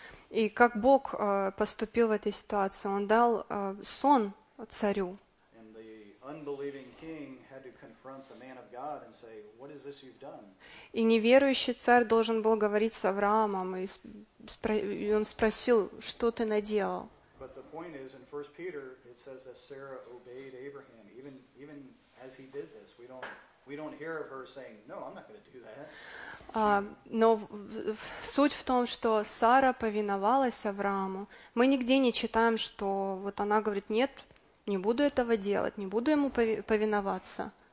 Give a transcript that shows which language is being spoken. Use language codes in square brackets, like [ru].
[ru] И как Бог поступил в этой ситуации? Он дал сон царю. [en] unbelieving king had to confront the man of God and say, "What is this you've done?" [ru] И неверующий царь должен был говорить с Авраамом, и он спросил, что ты наделал. [en] But the point is, in 1 Peter, it says that Sarah obeyed Abraham, even as he did this. We don't hear of her saying, "No, I'm not going to do that." [ru] Но суть в том, что Сара повиновалась Аврааму. Мы нигде не читаем, что вот она говорит, нет, не буду этого делать, не буду ему повиноваться.